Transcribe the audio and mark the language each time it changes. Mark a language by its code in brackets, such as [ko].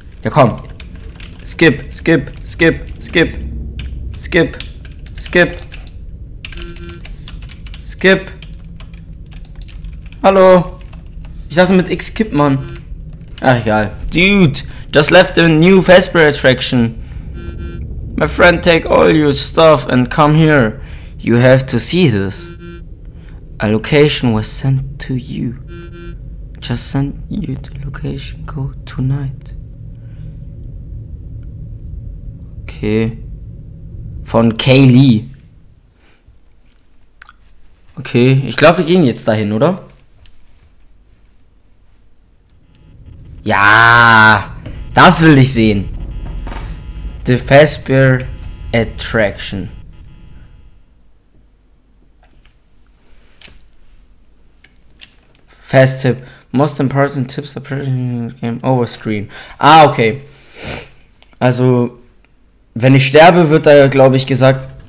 [de] Ja, komm. [en] Skip, skip, skip, skip. Skip, skip. Skip. Hallo. [de] Ich dachte mit X skip, Mann. Ach, egal. [en] Dude, just left a new Fazbear Attraction. My friend, take all your stuff and come here. You have to see this. A location was sent to you. Just send you the location code tonight. [de] Okay. Von Kaylee. Okay, ich glaube, wir gehen jetzt dahin, oder? Ja, das will ich sehen. [en] The Fazbear Attraction. Fast Tip. Most important tips are present in the game over screen. Ah, okay. [de] Also, wenn ich sterbe, wird da, glaube ich, gesagt.